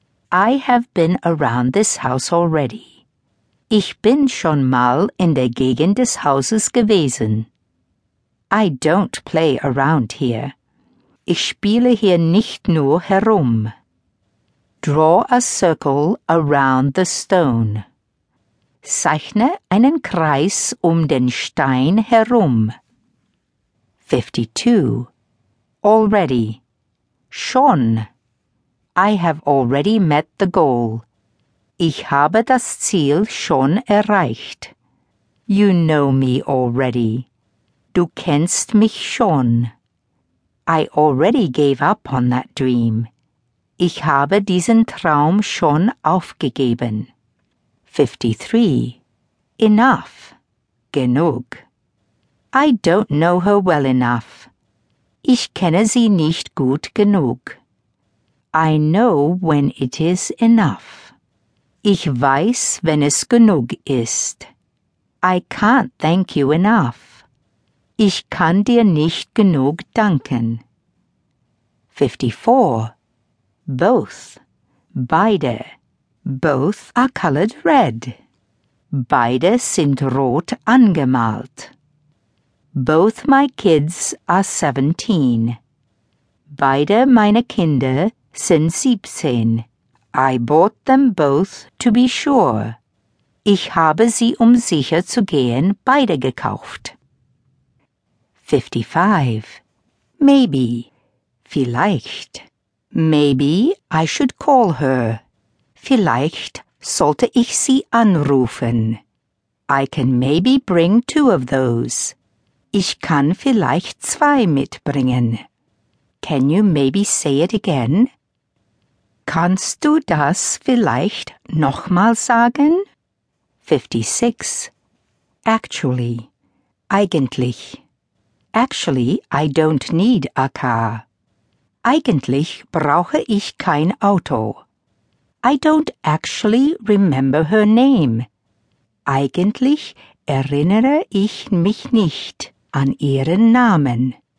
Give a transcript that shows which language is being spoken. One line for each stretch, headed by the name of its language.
English: I have been around this house already.
German: Ich bin schon mal in der Gegend des Hauses gewesen.
English: I don't play around here.
German: Ich spiele hier nicht nur herum.
English: Draw a circle around the stone.
German: Zeichne einen Kreis den Stein herum.
English: 52. Already.
German: Schon.
English: I have already met the goal.
German: Ich habe das Ziel schon erreicht.
English: You know me already.
German: Du kennst mich schon.
English: I already gave up on that dream.
German: Ich habe diesen Traum schon aufgegeben.
English: 53. Enough.
German: Genug.
English: I don't know her well enough.
German: Ich kenne sie nicht gut genug.
English: I know when it is enough.
German: Ich weiß, wenn es genug ist.
English: I can't thank you enough.
German: Ich kann dir nicht genug danken.
English: 54. Both.
German: Beide.
English: Both are colored red.
German: Beide sind rot angemalt.
English: Both my kids are 17.
German: Beide meine Kinder sind 17.
English: I bought them both to be sure.
German: Ich habe sie sicher zu gehen beide gekauft.
English: 55. Maybe.
German: Vielleicht.
English: Maybe I should call her.
German: Vielleicht sollte ich sie anrufen.
English: I can maybe bring two of those.
German: Ich kann vielleicht zwei mitbringen.
English: Can you maybe say it again?
German: Kannst du das vielleicht nochmal sagen?
English: 56. Actually.
German: Eigentlich.
English: Actually, I don't need a car.
German: Eigentlich brauche ich kein Auto.
English: I don't actually remember her name.
German: Eigentlich erinnere ich mich nicht an ihren Namen.